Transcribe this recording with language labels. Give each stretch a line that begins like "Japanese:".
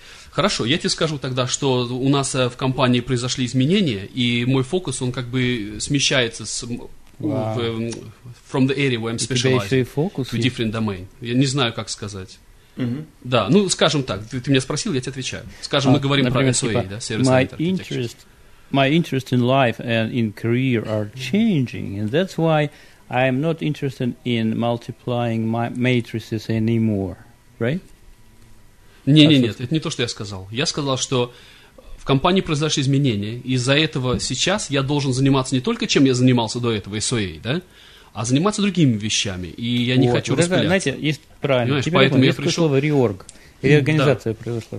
Russian: Хорошо, я тебе скажу тогда, что у нас в компании произошли изменения, и мой фокус, он как бы смещается с
English: from the area where I'm specializing to different domain.
Russian: Я не знаю, как сказать. Да, ну, скажем так, ты меня спросил, я тебе отвечаю. Скажем, мы говорим про SOA,
English: Service Oriented Architecture. My interest in life and in career are changing, and that's why I'm not interested in multiplying my matrices anymore, right?
Russian: Нет, это не то, что я сказал. Я сказал, что в компании произошли изменения, и из-за этого сейчас я должен заниматься не только чем я занимался до этого, SOA, да, а заниматься другими вещами, и я не хочу распыляться. Знаете, есть правильно, поэтому я пришел в реорг, реорганизация произошла.